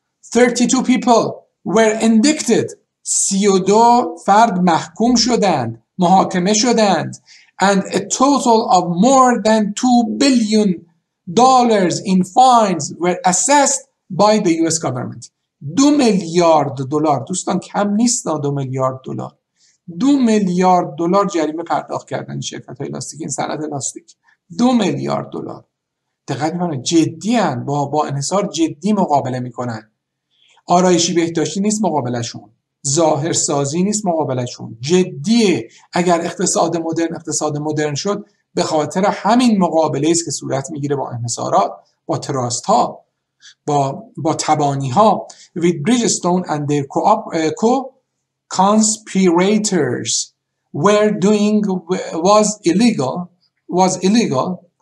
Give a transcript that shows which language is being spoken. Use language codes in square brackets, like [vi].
[fa] 32 [en] people were indicted، [fa] 32 فرد محکوم شدند، محاکمه شدند. [en] And a total of more than $2 billion in fines were assessed by the US government. [fa] 2 میلیارد دلار، دوستان کم نیست، 2 میلیارد دلار، 2 میلیارد دلار جریمه پرداخت کردن شرکت های لاستیک، این صنعت لاستیک. 2 میلیارد دلار، دقت می‌کنه جدی ان، با انحصار جدی مقابله میکنن. آرایشی بهداشتی نیست مقابلشون، ظاهر سازی نیست مقابلشون، جدیه. اگر اقتصاد مدرن اقتصاد مدرن شد، به خاطر همین مقابله است که صورت میگیره با انحصارات، با تراست ها، با تبانی ها. [en] With Bridgestone and their co-conspirators were doing was illegal.